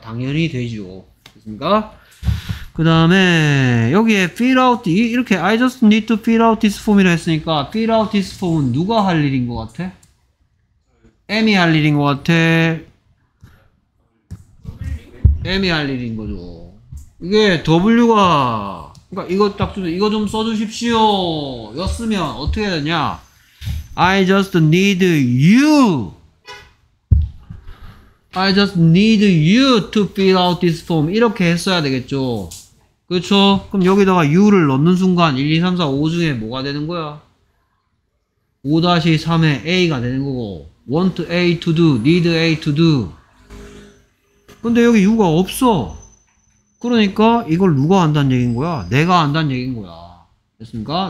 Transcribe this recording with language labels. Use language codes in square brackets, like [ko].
[ko] 당연히 되죠. 됐습니까? 그 다음에 여기에 fill out 이렇게 [en] I just need to fill out this form [ko] 이라 했으니까 fill out this form은 누가 할 일인 것 같아? M이 할 일인 것 같아? M이 할 일인 거죠. 이게 W가 그러니까 이거 딱 두면 이거 좀 써주십시오 였으면 어떻게 되냐? [en] I just need you I just need you to fill out this form [ko] 이렇게 했어야 되겠죠. 그렇죠? 그럼 여기다가 you를 넣는 순간 1, 2, 3, 4, 5 중에 뭐가 되는 거야? [en] 5-3에 A가 [ko] 되는 거고 [en] want A to do, need A to do. [ko] 근데 여기 you가 없어. 그러니까 이걸 누가 한다는 얘기인 거야? 내가 한다는 얘기인 거야. 됐습니까?